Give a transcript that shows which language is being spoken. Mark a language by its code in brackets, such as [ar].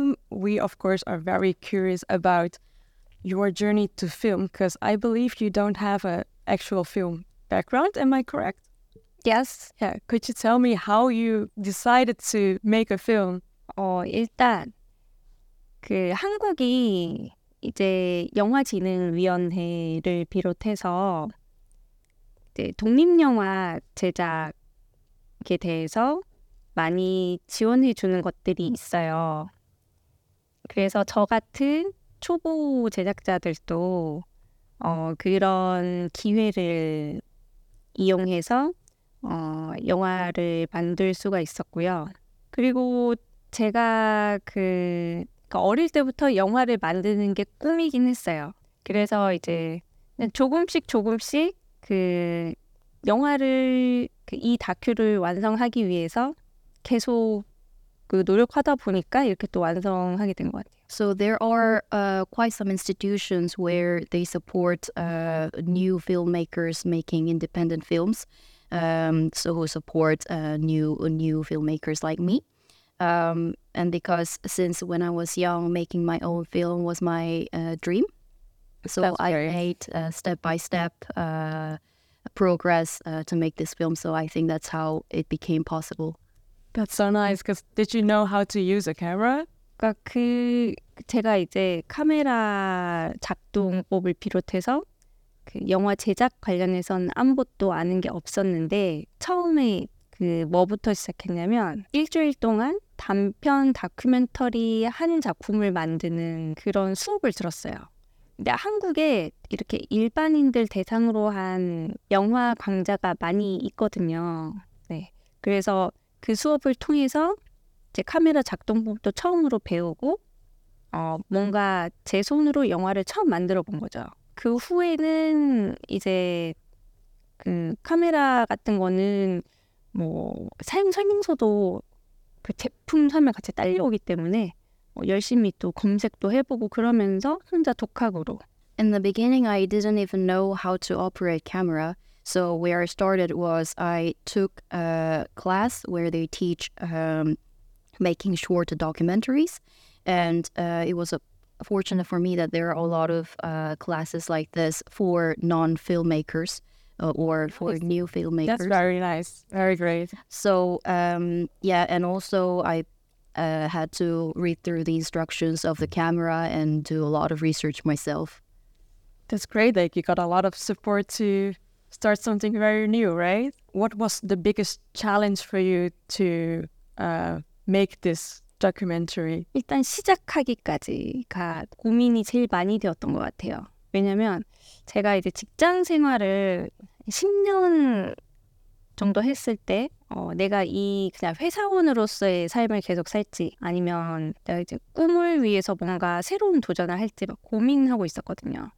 [en] We, of course, are very curious about your journey to film because I believe you don't have a actual film background, am I correct? Yes. Yeah. Could you tell me how you decided to make a film? [ko] 일단 그 한국이 이제 영화진흥위원회를 비롯해서 이제 독립영화 제작에 대해서 많이 지원해 주는 것들이 있어요. 그래서 저 같은 초보 제작자들도 그런 기회를 이용해서 영화를 만들 수가 있었고요. 그리고 제가 그러니까 어릴 때부터 영화를 만드는 게 꿈이긴 했어요. 그래서 이제 조금씩 그 영화를 그 이 다큐를 완성하기 위해서 계속 그 노력하다 보니까 이렇게 또 완성하게 된 것 같아요. [en] So there are quite some institutions where they support new filmmakers making independent films. So who support new filmmakers like me. And because since when I was young, making my own film was my dream. So that's I made step by step progress to make this film. So I think that's how it became possible. That's so nice. Because did you know how to use a camera? [ko] 그 제가 이제 카메라 작동법을 비롯해서 그 영화 제작 관련해서는 아무것도 아는 게 없었는데 처음에 그 뭐부터 시작했냐면 일주일 동안 단편 다큐멘터리 한 작품을 만드는 그런 수업을 들었어요. 근데 한국에 이렇게 일반인들 대상으로 한 영화 강좌가 많이 있거든요. 네. 그래서 그 수업을 통해서 제 카메라 작동법도 처음으로 배우고 뭔가 제 손으로 영화를 처음 만들어 본 거죠. 그 후에는 이제 그 카메라 같은 거는 뭐 사용 설명서도 그 제품 설명 같이 딸려오기 때문에 열심히 또 검색도 해보고 그러면서 혼자 독학으로 [en] In the beginning, I didn't even know how to operate camera. So where I started was I took a class where they teach making short documentaries. And it was fortunate for me that there are a lot of classes like this for non-filmmakers or for new filmmakers. That's very nice. Very great. So, yeah, and also I had to read through the instructions of the camera and do a lot of research myself. That's great. Like, you got a lot of support to start something very new, right? What was the biggest challenge for you to make this documentary? [ko] 일단 시작하기까지가 고민이 제일 많이 되었던 것 같아요. 왜냐면 제가 이제 직장 생활을 10년 정도 했을 때 내가 이 그냥 회사원으로서의 삶을 계속 살지 아니면 내가 이제 꿈을 위해서 뭔가 새로운 도전을 할지 막 고민하고 있었거든요.